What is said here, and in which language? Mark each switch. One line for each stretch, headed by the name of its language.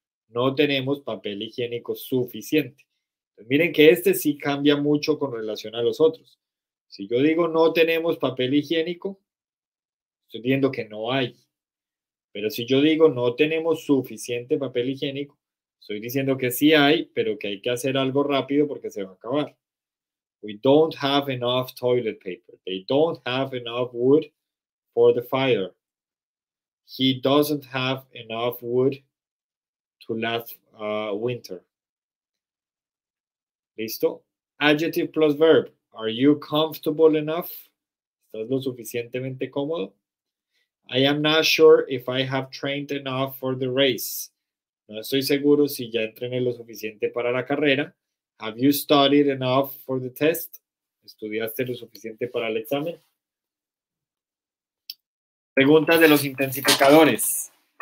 Spanish: No tenemos papel higiénico suficiente. Miren que este sí cambia mucho con relación a los otros. Si yo digo no tenemos papel higiénico, estoy diciendo que no hay. Pero si yo digo no tenemos suficiente papel higiénico, estoy diciendo que sí hay, pero que hay que hacer algo rápido porque se va a acabar.
English: We don't have enough toilet paper. They don't have enough wood for the fire. He doesn't have enough wood to last winter. ¿Listo? Adjective plus verb. Are you comfortable enough?
Spanish: ¿Estás lo suficientemente cómodo?
English: I am not sure if I have trained enough for the race.
Spanish: No estoy seguro si ya entrené lo suficiente para la carrera.
English: Have you studied enough for the test?
Spanish: ¿Estudiaste lo suficiente para el examen? Preguntas de los intensificadores.